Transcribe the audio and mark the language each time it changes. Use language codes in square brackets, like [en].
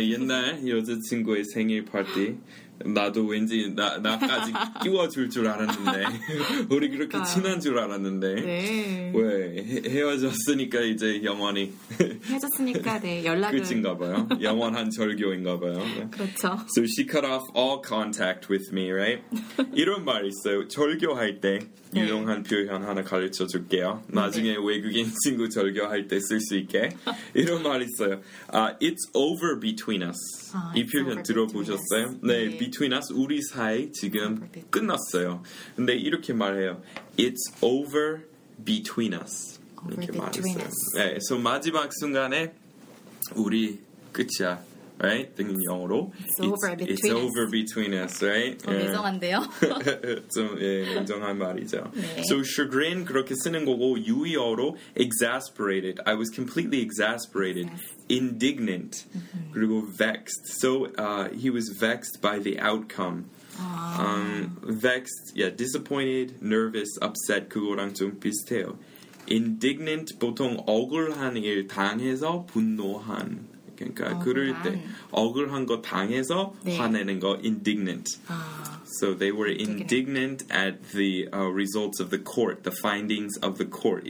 [ko] 옛날 여자친구의 생일 파티 나도 왠지 나까지 끼워줄 줄 알았는데 우리 그렇게 친한 줄 알았는데 네. 왜 헤어졌으니까 이제 영원히 헤어졌으니까 네 연락을 끝인가 봐요 영원한 절교인가 봐요 그렇죠 [en] So she cut off all contact with me, right? [ko] 이런 말 있어요 절교할 때 유용한 네. 표현 하나 가르쳐 줄게요 나중에 네. 외국인 친구 절교할 때 쓸 수 있게 이런 말 있어요 [en] It's over between us [ko] 이 표현 들어보셨어요? 네 [en] Between us, [ko] 우리 사이 지금 끝났어요. 근데 이렇게 말해요. [en] It's over between us. [ko] 이렇게 말했어요. 네, so 마지막 순간에 우리 끝이야. [en] Right? [ko] 등인 영어로. [en] It's over between us, right? [ko] 인정한데요. 좀 인정한 예, 말이죠. 네. So chagrin 그렇게 쓰는 거고 유의어로 exasperated. [en] I was completely exasperated. Yes. Indignant. Mm-hmm. [ko] 그리고 [en] vexed. So he was vexed by the outcome. Vexed, yeah, disappointed, nervous, upset. [ko] 그거랑 좀 비슷해요. Indignant 보통 억울한 일 당해서 분노한. 그러니까 그럴 때 억울한 거 당해서 네. 화내는 거 indignant. [en] So they were indignant at the results of the court, the findings of the court.